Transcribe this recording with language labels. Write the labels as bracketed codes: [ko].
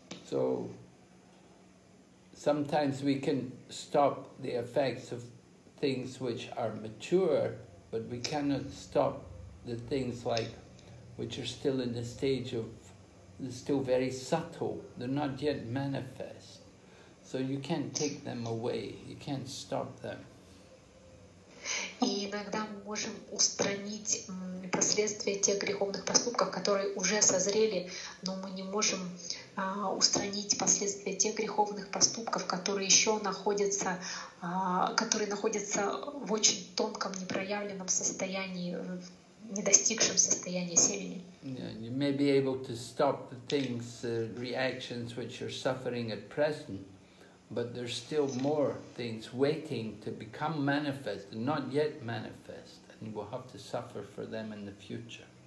[en] So, sometimes we can stop the effects of things which are mature, but we cannot stop the things like which are still in the stage of they're still very subtle, they're not yet manifest. So you can't take them away, you can't stop them. [ru] И иногда мы можем устранить последствия тех греховных поступков, которые уже созрели, но мы не можем устранить последствия тех греховных поступков, которые еще находятся, которые находятся в очень тонком, непроявленном состоянии, не достигшем состоянии семени. [en] Yeah, you may be able to stop the things, the reactions which you're suffering at present, but there's still more things waiting to become manifest, not yet manifest, and you will have to suffer for them in the future.